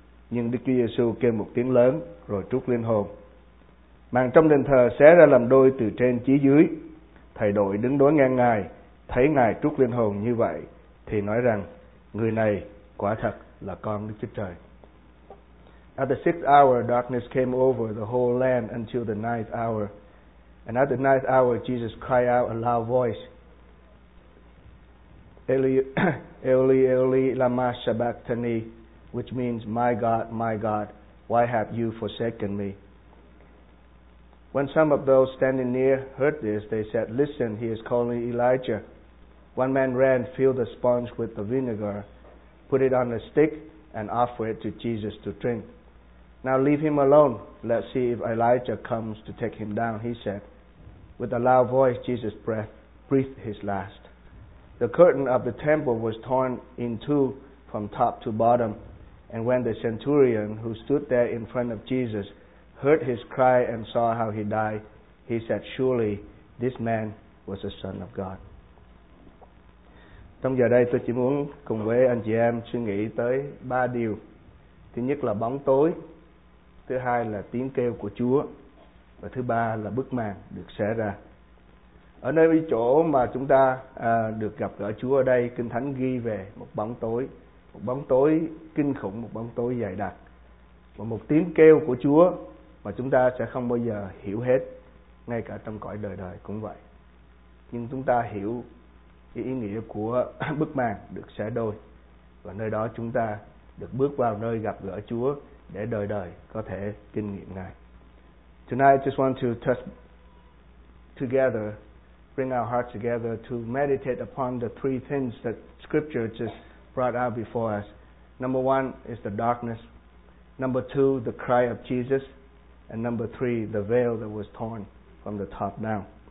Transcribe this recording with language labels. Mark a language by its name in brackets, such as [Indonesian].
[Vietnamese] Nhưng Đức Chúa Giêsu kêu một tiếng lớn rồi trút linh hồn. Màn trong đền thờ xé ra làm đôi từ trên chí dưới. Thầy đội đứng đối ngang Ngài, thấy Ngài trút linh hồn như vậy thì nói rằng: Người này quả thật là con Đức Chúa Trời. [English] At the sixth hour, darkness came over the whole land until the ninth hour. And at the ninth hour, Jesus cried out a loud voice, [Aramaic] Eli, Eli, Eli, lama sabachthani, [English] which means, my God, why have you forsaken me? When some of those standing near heard this, they said, Listen, he is calling Elijah. One man ran, filled a sponge with the vinegar, put it on a stick, and offered it to Jesus to drink. Now leave him alone. Let's see if Elijah comes to take him down, he said. With a loud voice, Jesus breathed his last. The curtain of the temple was torn in two from top to bottom. And when the centurion who stood there in front of Jesus heard his cry and saw how he died, he said, Surely this man was the Son of God. [Vietnamese] Trong giờ đây, tôi chỉ muốn cùng với anh chị em suy nghĩ tới ba điều. Thứ nhất là bóng tối. Thứ hai là tiếng kêu của Chúa. Và thứ ba là bức màn được xé ra. Ở nơi chỗ mà chúng ta được gặp gỡ Chúa ở đây, Kinh Thánh ghi về một bóng tối. Một bóng tối kinh khủng, một bóng tối dày đặc. Và một tiếng kêu của Chúa mà chúng ta sẽ không bao giờ hiểu hết, ngay cả trong cõi đời đời cũng vậy. Nhưng chúng ta hiểu cái ý nghĩa của bức màn được xé đôi. Và nơi đó chúng ta được bước vào nơi gặp gỡ Chúa để đời đời có thể kinh nghiệm Ngài. [English] Tonight I just want to touch together, bring our hearts together to meditate upon the three things that Scripture just brought out before us. Number one is the darkness. Number two, the cry of Jesus. And number three, the veil that was torn from the top down.